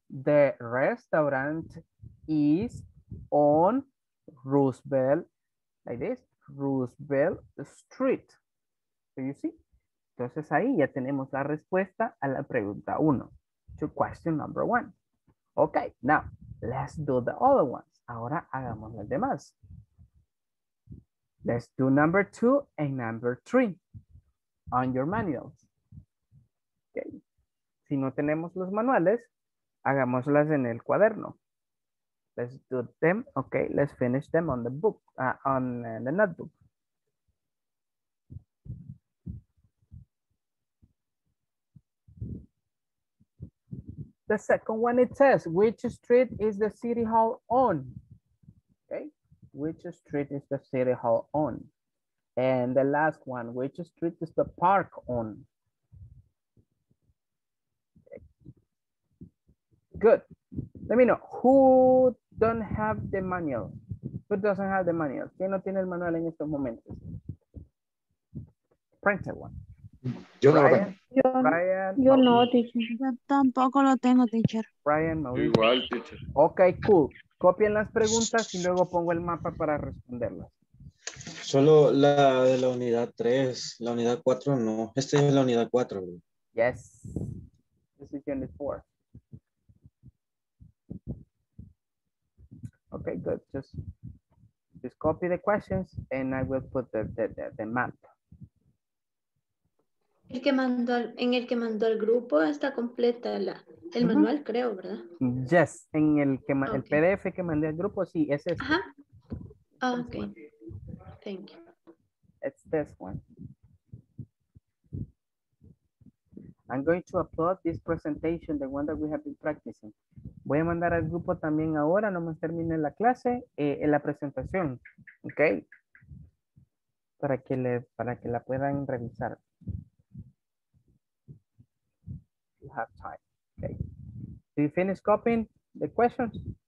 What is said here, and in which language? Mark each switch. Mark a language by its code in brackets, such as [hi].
[en] The restaurant is on Roosevelt, like this, Roosevelt Street. Do you see? [es] Entonces ahí ya tenemos la respuesta a la pregunta uno, [en] to question number one. Okay, now, let's do the other ones. [es] Ahora hagamos las demás. [en] Let's do number two and number three on your manuals. Okay. [es] Si no tenemos los manuales, hagámoslas en el cuaderno. [en] Let's do them. Okay, let's finish them on the book, the notebook. The second one, it says, which street is the city hall on? Okay, which street is the city hall on? And the last one, which street is the park on? Good. Let me know who don't have the manual. Who doesn't have the manual? [es] ¿Quién no tiene el manual en estos momentos? [en] Printed one. [es] Yo Brian, no. Brian, yo no, teacher. Yo tampoco lo tengo, teacher. Brian, no. Igual, teacher. [en] Ok, cool. [es] Copien las preguntas y luego pongo el mapa para responderlas. Solo la de la unidad 3. La unidad 4 no. Este es la unidad 4. Bro. [en] Yes. This is unit 4. Okay, good. Just copy the questions and I will put the map. [es] En el que mandó el grupo está completa el manual, creo, ¿verdad? Yes, en el que okay. El PDF que mandé al grupo, sí, es este. [en] Ajá. Okay. Thank you. It's this one. I'm going to upload this presentation, the one that we have been practicing. [es] Voy a mandar al grupo también ahora, nomás termine la clase, en la presentación, ¿ok? Para que la puedan revisar. [en] You have time, ¿ok? Do you finish copying the questions?